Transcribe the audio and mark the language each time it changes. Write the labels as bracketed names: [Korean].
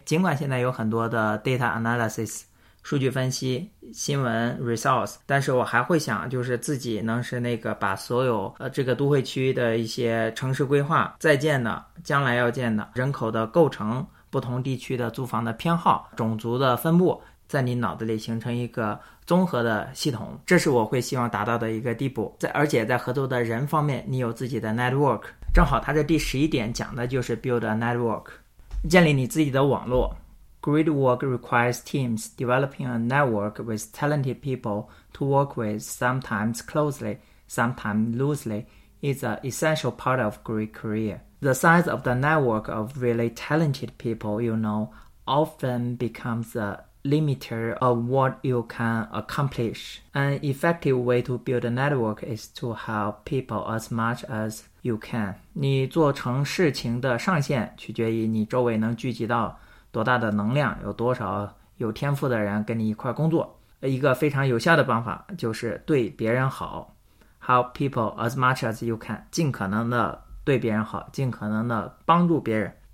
[Chinese] 尽管现在有很多的 data analysis 数据分析新闻 resource， 但是我还会想就是自己能是那个把所有这个都会区的一些城市规划在建的，将来要建的人口的构成，不同地区的租房的偏好，种族的分布，在你脑子里形成一个综合的系统，这是我会希望达到的一个地步。而且在合作的人方面，你有自己的 network， 正好他这第十一点讲的就是 [English] build a network， [Chinese] 建立你自己的网络。 [English] Great work requires teams developing a network with talented people to work with, sometimes closely, sometimes loosely, is an essential part of great career. The size of the network of really talented people you know often becomes a limiter of what you can accomplish. An effective way to build a network is to help people as much as you can. [Chinese] 你做成事情的上限取决于你周围能聚集到多大的能量，有多少有天赋的人跟你一块工作。一个非常有效的办法就是对别人好， [English] help people as much as you can， [Chinese] 尽可能的对别人好，尽可能的帮助别人。